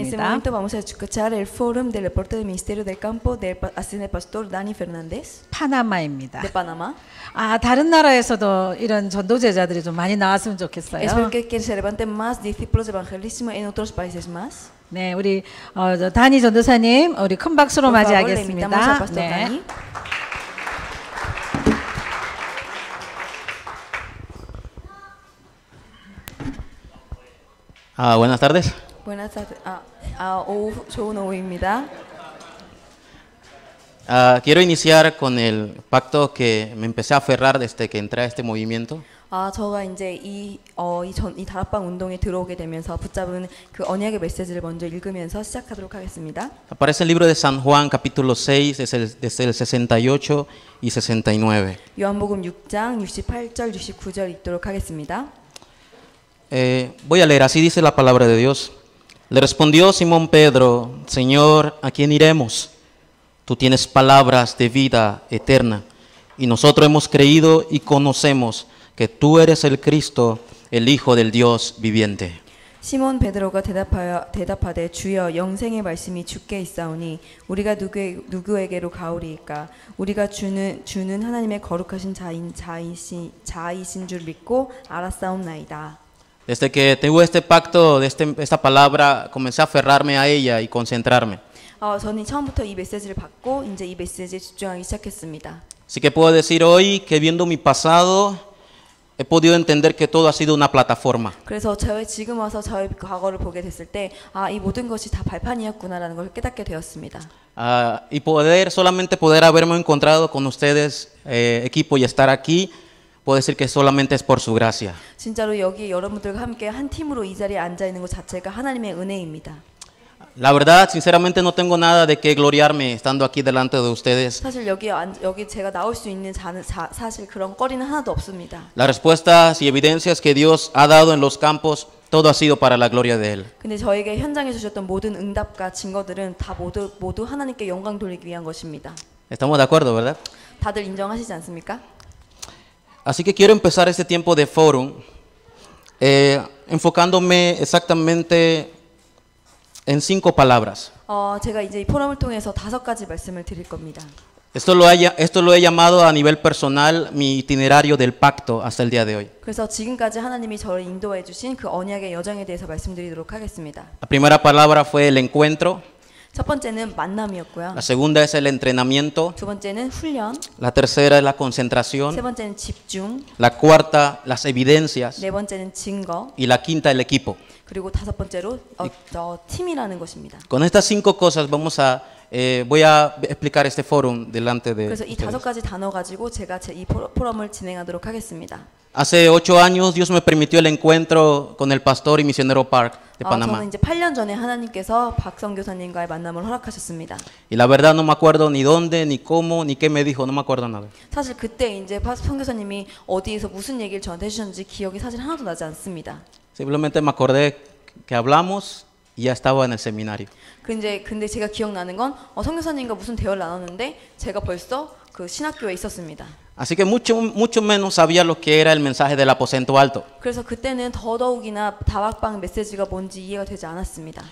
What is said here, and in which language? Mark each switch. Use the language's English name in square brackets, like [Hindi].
[Spanish] En este momento vamos a escuchar el forum del reporte del Ministerio del Campo del Asistente Pastor Dani Fernández. [Korean] 파나마입니다. [Spanish] De Panamá. [Korean] 아, 다른 나라에서도 이런 전도 제자들이 좀 많이 나왔으면 좋겠어요. [Spanish] Espero que se levanten más discípulos de evangelismo en otros países más. [Korean] 네, 우리 다니 전도사님 우리 큰 박수로 맞이하겠습니다. 네. [Spanish] 아, buenas tardes. Buenas tardes. [Korean] 좋은 오후입니다. [Spanish] Quiero iniciar con el pacto que me empecé a aferrar desde que entré a este movimiento. [Korean] 아, 제가 이제 이 다락방 운동에 들어오게 되면서 붙잡은 그 언약의 메시지를 먼저 읽으면서 시작하도록 하겠습니다. [Spanish] Aparece el libro de San Juan capítulo 6 desde el 68 y 69. [Korean] 요한복음 6장 68절 69절 읽도록 하겠습니다. [Spanish] Voy a leer, así dice la palabra de Dios. Le respondió Simón Pedro, Señor, ¿a quién iremos? Tú tienes palabras de vida eterna, y nosotros hemos creído y conocemos que tú eres el Cristo, el Hijo del Dios viviente. [Korean] Simón Pedro가 대답하되 주여 영생의 말씀이 주께 있사오니 우리가 누구에게로 가오리이까 우리가 주는 하나님의 거룩하신 자이신 줄 믿고 알았사옵나이다. [Spanish] Desde que tengo este pacto, esta palabra, comencé a aferrarme a ella y concentrarme. [Korean] 저는 처음부터 이 메시지를 받고 이제 이 메시지에 집중하기 시작했습니다. [Spanish] Así que puedo decir hoy que viendo mi pasado he podido entender que todo ha sido una plataforma. [Korean] 그래서 저의 지금 와서 저의 과거를 보게 됐을 때 아, 이 모든 것이 다 발판이었구나라는 걸 깨닫게 되었습니다. [Spanish] Y poder solamente poder haberme encontrado con ustedes equipo y estar aquí. Puedo decir que solamente es por su gracia. [Korean] 진짜로 여기 여러분들과 함께 한 팀으로 이 자리에 앉아 있는 것 자체가 하나님의 은혜입니다. [Spanish] La verdad, sinceramente, no tengo nada de qué gloriarme estando aquí delante de ustedes. [Korean] 사실 여기 제가 나올 수 있는 사실 그런 거리는 하나도 없습니다. [Spanish] Las respuestas y evidencias que Dios ha dado en los campos, todo ha sido para la gloria de él. [Korean] 근데 저에게 현장에 주셨던 모든 응답과 증거들은 다 모두 하나님께 영광 돌리기 위한 것입니다. [Spanish] Estamos de acuerdo, ¿verdad? [Korean] 다들 인정하시지 않습니까? [Spanish] Así que quiero empezar este tiempo de forum enfocándome exactamente en cinco palabras. [Korean] 제가 이제 이 포럼을 통해서 다섯 가지 말씀을 드릴 겁니다. [Spanish] Esto lo he llamado a nivel personal mi itinerario del pacto hasta el día de hoy. [Korean] 그래서 지금까지 하나님이 저를 인도해 주신 그 언약의 여정에 대해서 말씀드리도록 하겠습니다. [Spanish] La primera palabra fue el encuentro. [Korean] 첫 번째는 만남이었고요. [Spanish] La segunda es el entrenamiento. [Korean] 두 번째는 훈련. [Spanish] La tercera es la concentración. [Korean] 세 번째는 집중. [Spanish] La cuarta, las evidencias. [Korean] 네 번째는 증거. [Spanish] Y la quinta, el equipo. [Korean] 그리고 다섯 번째로 팀이라는 것입니다. [Spanish] Con estas cinco cosas vamos a voy a explicar este forum delante de [Korean] 그래서 이 다섯 가지 단어 가지고 제가 제 이 포럼을 진행하도록 하겠습니다. [Spanish] Hace 8 años Dios me permitió el encuentro con el pastor y misionero Park de Panamá. [Korean] 저는 이제 8년 전에 하나님께서 박성 교사님과의 만남을 허락하셨습니다. [Spanish] Y la verdad no me acuerdo ni dónde ni cómo ni qué me dijo, no me acuerdo nada. [Korean] 사실 그때 이제 박성 교사님이 어디에서 무슨 얘기를 저한테 주셨는지 기억이 사실 하나도 나지 않습니다. [Spanish] Simplemente me acordé que hablamos y ya estaba en el seminario. [Korean] 근데 제가 기억나는 건 성 교사님과 무슨 대화를 나눴는데 제가 벌써 그 신학교에 있었습니다. [Spanish] Así que mucho menos sabía lo que era el mensaje del aposento alto. [Korean] 그래서 그때는 더더욱이나 다락방 메시지가 뭔지 이해가 되지 않았습니다.